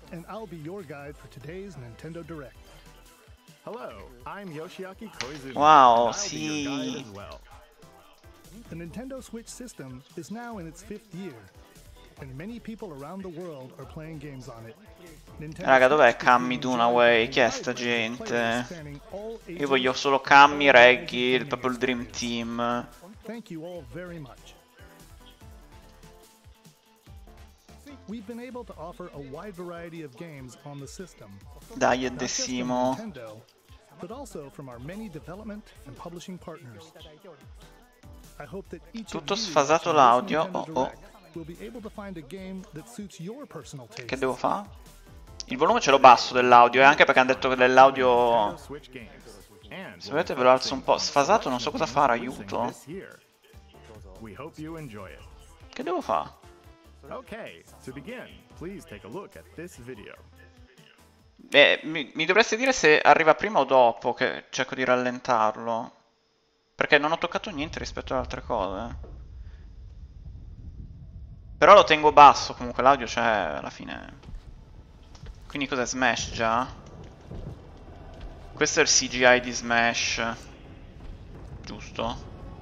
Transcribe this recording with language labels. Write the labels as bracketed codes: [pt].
[en] And I'll be your guide for today's Nintendo Direct. Hello, I'm Yoshiaki Koizumi. [it] Wow, sì. [en] The Nintendo Switch system is now in its fifth year, and many people around the world are playing games on it. [it] Raga, dov'è Cammy Dunaway? Chi è sta gente? Io voglio solo Cammy, Reggie, il proprio Dream Team. [en] Thank you all very much. We've been able to offer a wide variety of games on the system. [it] Dai, è Decimo. [en] But also from our many development and publishing partners. I hope that each [it] tutto sfasato l'audio. Oh oh. [en] Will be able to find a game that suits your personal taste. [it] Che devo fare? Il volume ce l'ho basso dell'audio, e anche perché hanno detto che dell'audio. Se volete ve lo alzo un po'. Sfasato, non so cosa fare, aiuto. Che devo fare? [en] Ok, to begin, please take a look at this video. [it] Beh, mi dovreste dire se arriva prima o dopo, che cerco di rallentarlo. Perché non ho toccato niente rispetto ad altre cose. Però lo tengo basso, comunque l'audio c'è alla fine. Quindi cos'è Smash già? Questo è il CGI di Smash. Giusto?